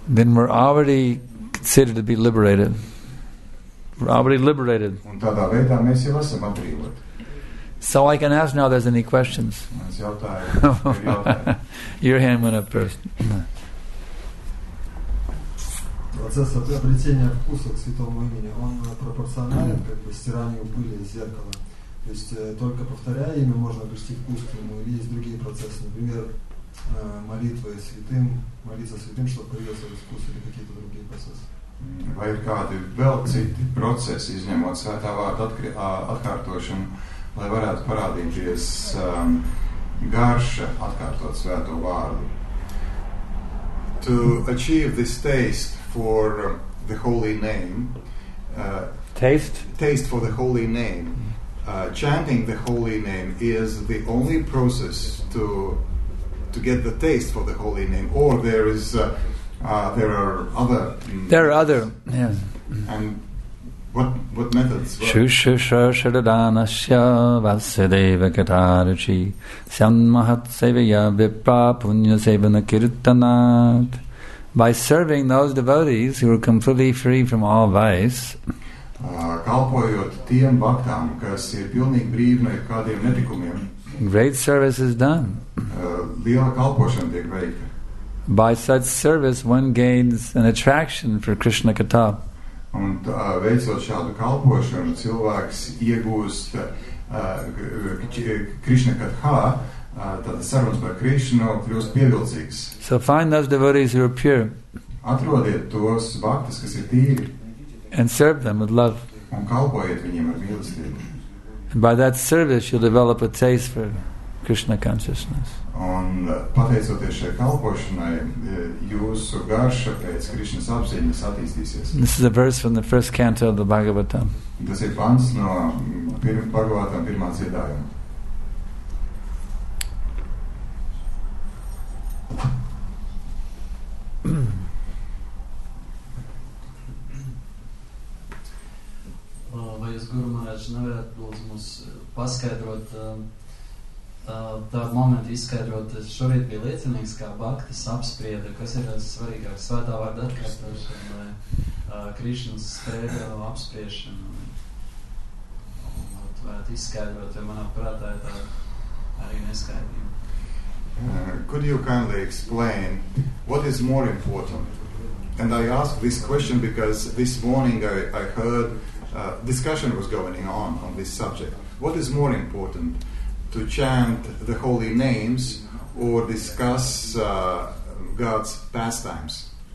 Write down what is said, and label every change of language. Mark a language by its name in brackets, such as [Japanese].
[English] Then we're already considered to be liberated. We're already liberated. [Latvian] Un tādā veidā mēs jau esam atbrīvoti. [English] So I can ask now if there's any questions. [Latvian] Es jautāju. [English] Your hand went up first. [Russian] Процесс обретения вкуса к святому имени, он пропорционален, как бы, стиранию пыли из зеркала. То есть, только повторяя имя, можно обрести вкус к нему, или есть другие процессы, например, молитва святым, молиться святым, чтобы появился вкус, или какие-то другие процессы. [Latvian] Vai ir kādi vēl citi procesi, izņemot svētā vārda atkārtošanu, lai varētu parādīties garša atkārtot svēto vārdu? [English] To achieve this taste for the holy name, taste for the holy name, chanting the holy name is the only process to get the taste for the holy name. Or there is there are other yes. And what methods? [Sanskrit] Shusha shradana sya vasudeva katarchi sam mahat sevaya vipra punya sevana kirtanat. [English] By serving those devotees who are completely free from all vice, [Latvian] kalpojot tiem baktām, kas ir pilnīgi brīvi no kādiem netikumiem, [English] great service is done. [Latvian] Liela kalpošana tiek veikta. [English] By such service, one gains an attraction for Krishna Katha. [Latvian] Un veicot šādu kalpošanu, cilvēks iegūst Krishna Katha, tātad sarunas par Krishnu kļūst pievilcīgs. [English] So find those devotees who are pure. [Latvian] Atrodiet tos baktas, kas ir tīri. [English] And serve them with love. [Latvian] Un kalpojiet viņiem ar mīlestību. [English] And by that service you'll develop a taste for Krishna consciousness. [Latvian] Un pateicoties šai kalpošanai, jūsu garša pēc Krishnas apziņas attīstīsies. [English] This is a verse from the first canto of the Bhagavatam. [Latvian] Tas ir pants no Bhagavatam pirmā dziedājuma. Vai jūs, Guru Maharaj, vienkārši nevarat lūdzu mums paskaidrot tā momentu izskaidrot. Es šorīt bija liecinīgs, kā Baktis apsprieda, kas ir svarīgāk svētā vārda atkārtošana vai Krišanas spēļa apspriešana. Vat varat izskaidrot, jo manā prātā ir tā arī neskaidrība. [English] Could you kindly explain what is more important? And I ask this question because this morning I heard discussion was going on this subject. What is more important, to chant the holy names or discuss God's pastimes?